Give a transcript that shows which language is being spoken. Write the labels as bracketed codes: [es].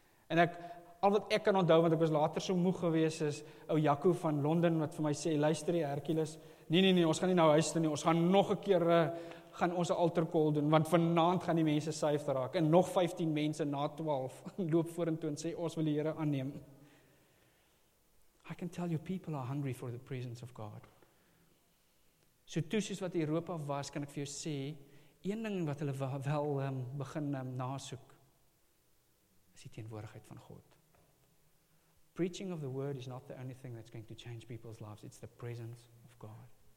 [af] En ek, al wat ek kan onthou, want ek was later so moeg gewees, is ou Jaco van Londen, wat vir my sê, luister die Hercules, nee, ons gaan nie nou huis toe nie, ons gaan nog 'n keer, gaan ons 'n altar call doen, want vanaand gaan die mense suiwer te raak, en nog 15 mense na 12, loop vorentoe en sê, ons wil die Here aanneem. [en] I can tell you people are hungry for the presence of God. [af] So toe soos wat Europa was, kan ek vir jou sê, een ding wat hulle wel begin nasoek, is die teenwoordigheid van God. [en] Preaching of the word is not the only thing that's going to change people's lives, it's the presence of God.